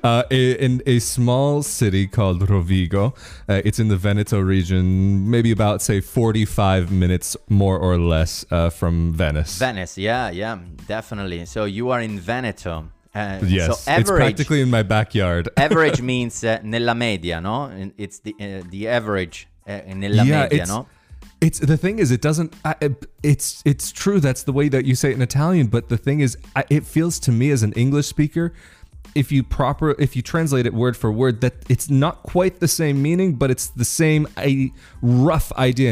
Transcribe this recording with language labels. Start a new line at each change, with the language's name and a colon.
English: in a small city called Rovigo. It's in the Veneto region, maybe about, say, 45 minutes more or less from Venice. Venice, yeah, yeah, definitely. So you are in Veneto. Yes, so average, it's practically in my backyard. Average means
Italian: nella media, no?
English: It's the average nella yeah,
Italian: media, no?
English: It's the thing is, it doesn't, it's true. That's the way that you say it in Italian. But the thing is, it feels to me as an English speaker, if you translate it word for word, that it's not quite the same meaning, but it's the same rough idea.